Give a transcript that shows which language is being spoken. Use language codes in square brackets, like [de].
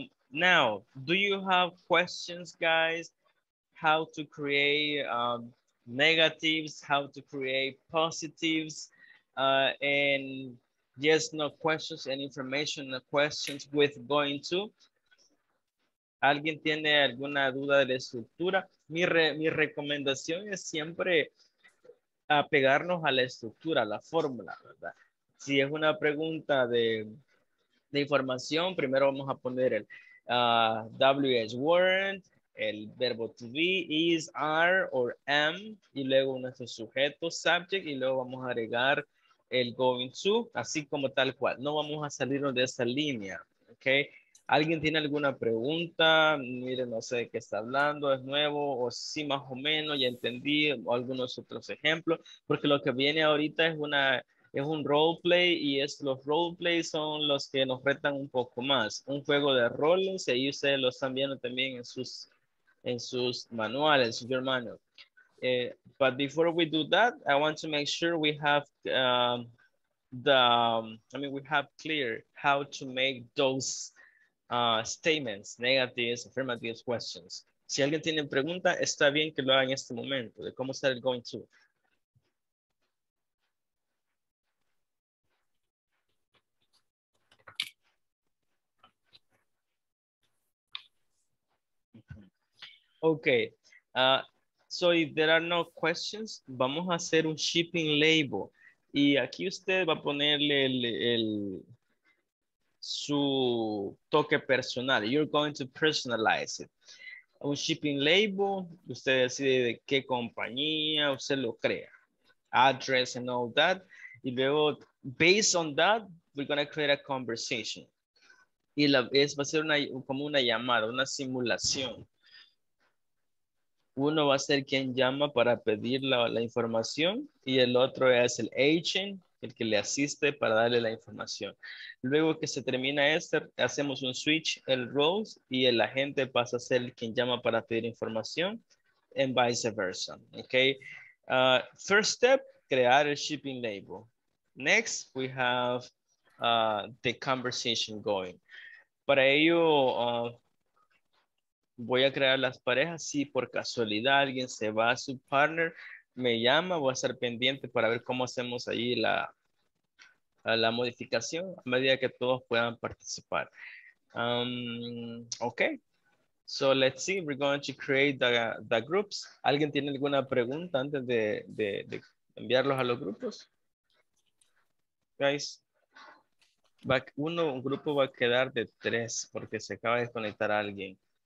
[en] Now, do you have questions, guys? How to create negatives, how to create positives, and yes, no questions and information, no questions with going to. [es] ¿Alguien tiene alguna duda de la estructura? Mi recomendación es siempre apegarnos a la estructura, a la fórmula, ¿verdad? Si es una pregunta de información, primero vamos a poner el WH word, el verbo to be, is, are, or am, y luego nuestro sujeto, subject, y luego vamos a agregar el going to, así como tal cual. No vamos a salirnos de esa línea, ¿ok? ¿Alguien tiene alguna pregunta? Mire, no sé de qué está hablando, es nuevo, o sí más o menos, ya entendí, o algunos otros ejemplos, porque lo que viene ahorita es un role play y es los role play son los que nos retan un poco más, un juego de roles y ahí ustedes lo están viendo también en sus manuales, en sus manuales. [en] But before we do that, I want to make sure we have we have clear how to make those statements, negatives, affirmative questions. [es] Si alguien tiene pregunta, está bien que lo haga en este momento de cómo estar going to. [en] Okay, so if there are no questions, [es] vamos a hacer un [en] shipping label. [es] Y aquí usted va a ponerle su toque personal. [en] You're going to personalize it. [es] Un shipping label, usted decide de qué compañía usted lo crea. [en] Address and all that. [es] Y luego, [en] based on that, we're going to create a conversation. [es] Y va a ser como una llamada, una simulación. Uno va a ser quien llama para pedir la información y el otro es el agent, el que le asiste para darle la información. Luego que se termina este, hacemos un switch, el roles, y el agente pasa a ser quien llama para pedir información [en] and vice versa. Okay. First step, [es] crear el [en] shipping label. Next, we have the conversation going. [es] Para ello, voy a crear las parejas, si por casualidad alguien se va a su partner, me llama, voy a estar pendiente para ver cómo hacemos ahí la modificación a medida que todos puedan participar. [en] Okay, so let's see, we're going to create the groups. [es] ¿Alguien tiene alguna pregunta antes de enviarlos a los grupos? Guys, un grupo va a quedar de tres porque se acaba de conectar a alguien.